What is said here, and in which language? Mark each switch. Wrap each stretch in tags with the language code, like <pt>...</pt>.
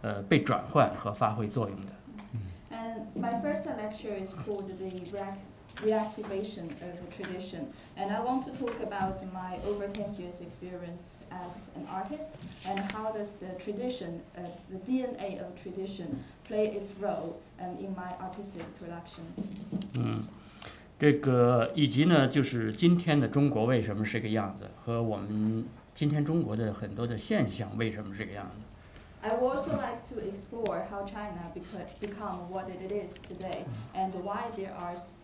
<zh>就是我的创作的这个十多年的几十年的创作的经验呢，和这个案例呢，分析一下，就是说，作为艺术家身上所携带的这个传统文化的基因呢，是如何在我们的实践中，被转换和发挥作用的。And</zh> <en>my first lecture is called the reactivation of the tradition. And I want to talk about my over 10 years experience as an artist and how does the tradition, the DNA of tradition play its role in my artistic production.</en> <zh>这个以及呢，就是今天的中国为什么是个样子，和我们今天中国的很多的现象为什么是个样子。</zh> <en>I would also like to explore how China become what it is today and why there are</en>